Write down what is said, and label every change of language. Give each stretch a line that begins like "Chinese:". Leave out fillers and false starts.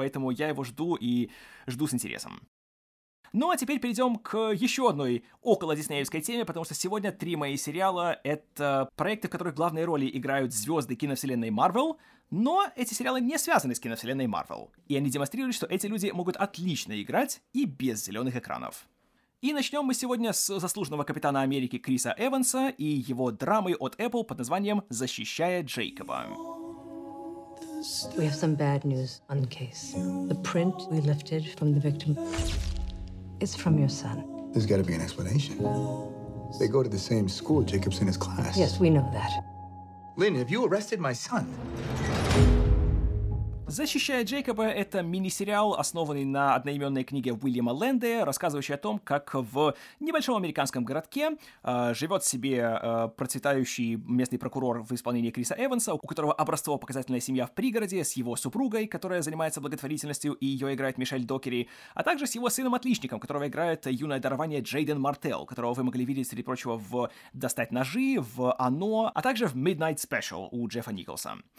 Russian: Поэтому я его жду и жду с интересом. Ну а теперь перейдем к еще одной около диснеевской теме, потому что сегодня три мои сериала — это проекты, в которых главные роли играют звезды киновселенной Marvel, но эти сериалы не связаны с киновселенной Marvel, и они демонстрируют, что эти люди могут отлично играть и без зеленых экранов. И начнем мы сегодня с заслуженного Капитана Америки Криса Эванса и его драмы от Apple под названием «Защищая Джейкоба».
English: We have some bad news on the case. The print we lifted from the victim. It's from your son. There's got to be an explanation. They go to the same school, Jacob's in his class. Yes, we know that. Lynn, have you arrested my son?
Russian: «Защищая Джейкоба» — это мини-сериал, основанный на одноименной книге Уильяма Лэнде, рассказывающий о том, как в небольшом американском городке живет себе процветающий местный прокурор в исполнении Криса Эванса, у которого образцово-показательная семья в пригороде, с его супругой, которая занимается благотворительностью, и ее играет Мишель Докери, а также с его сыном-отличником, которого играет юное дарование Джейден Мартелл, которого вы могли видеть, среди прочего, в «Достать ножи», в «Оно», а также в «Midnight Special» у Джеффа Николса.